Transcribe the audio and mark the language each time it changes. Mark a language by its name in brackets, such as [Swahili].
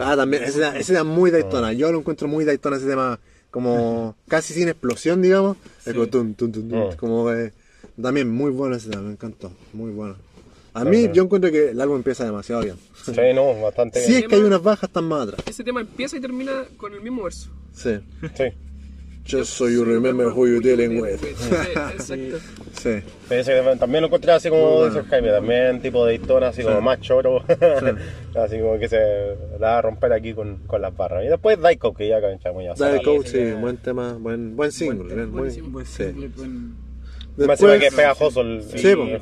[Spanish] Ah, también, ese era muy Daytona. Yo lo encuentro muy Daytona, ese tema, como casi sin explosión, digamos. Sí. Es como tum, tum, tum, tum. Como que, también muy bueno ese tema, me encantó, muy bueno. A mí, yo encuentro que el álbum empieza demasiado bien. Sí, no, bastante bien. Si es que hay unas bajas, están más atrás. Ese tema empieza y termina con el mismo verso. Sí. Sí. [English] Just so you remember who you're dealing with. [Spanish] Sí, exacto. Sí. Ese también lo encontré así como dice Jaime, también tipo de Daytona, así como más choro. Así como que se la va a romper aquí con las barras. Y después Daiko, que ya canchamos ya. Daiko, sí, buen tema, buen single. Buen single, buen... Me parece que es pegajoso el